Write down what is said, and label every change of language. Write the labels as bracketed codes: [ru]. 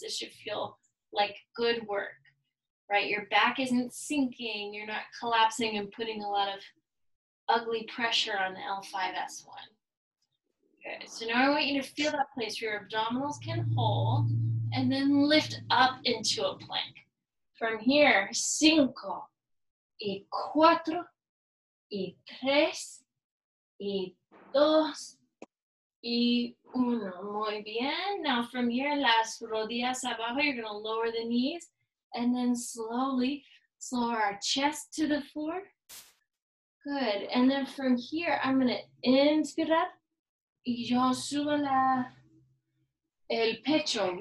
[en] This should feel like good work, right? Your back isn't sinking. You're not collapsing and putting a lot of ugly pressure on the L5-S1. Good. So now I want you to feel that place where your abdominals can hold and then lift up into a plank. From here, [es] cinco, y cuatro, y tres, y dos, y uno. Muy bien. [en] Now from here, [es] las rodillas abajo, [en] you're going to lower the knees and then slowly lower our chest to the floor. Good. And then from here, I'm going to [es] inspirar y yo subo la, el pecho.